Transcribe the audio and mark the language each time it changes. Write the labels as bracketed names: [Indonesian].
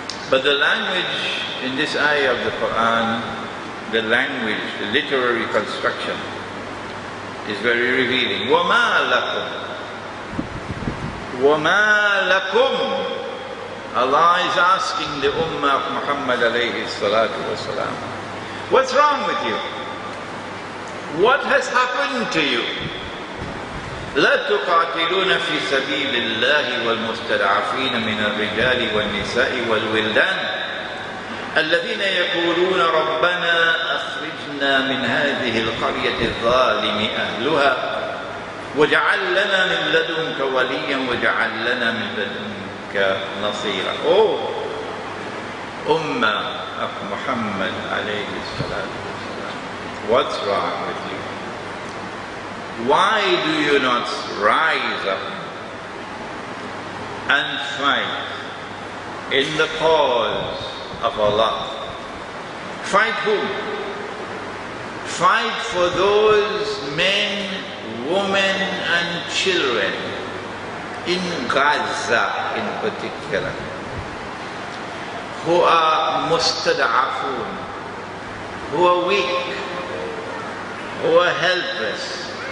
[English] But the language in this ayah of the Quran, the language, the literary construction, is very revealing. [Arabic] وَمَا لَكُمْ وَمَا لَكُمْ. [English] Allah is asking the ummah of Muhammad alayhi salatu wasalam, what's wrong with you? What has happened to you? [Arabic] لَا تُقَاتِلُونَ فِي سَبِيلِ اللَّهِ وَالْمُسْتَرْعَفِينَ مِنَ الرِّجَالِ وَالنِّسَاءِ وَالْوِلْدَانِ الذين يقولون ربنا أخرجنا من هذه القرية الظالم أهلها واجعل لنا من لدنك وليا واجعل لنا من لدنك نصيرا. أمة أخ محمد عليه الصلاة والسلام, [English] what's wrong with you? Why do you not rise up and fight in the cause of Allah? Fight whom? Fight for those men, women and children in Gaza in particular who are mustada'afun, who are weak, who are helpless.